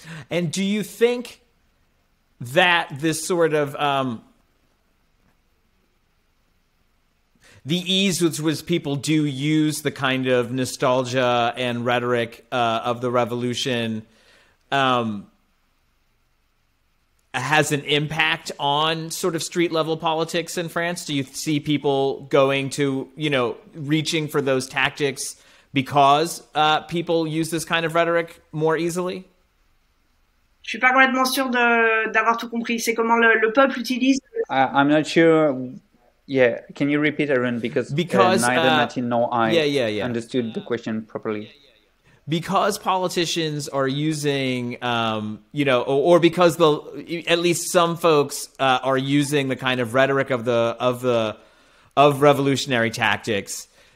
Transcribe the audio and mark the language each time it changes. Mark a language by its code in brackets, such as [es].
[en] And do you think that this sort of the ease with which people do use the kind of nostalgia and rhetoric of the revolution has an impact on sort of street level politics in France? Do you see people going to, you know, reaching for those tactics because people use this kind of rhetoric more easily? [fr] Je suis pas complètement sûr de d'avoir tout compris. C'est comment le peuple utilise. [en] I'm not sure. Yeah, can you repeat, Aaron? Because neither Martin nor I understood the question properly. Because politicians are using, you know, or because the at least some folks are using the kind of rhetoric of revolutionary tactics.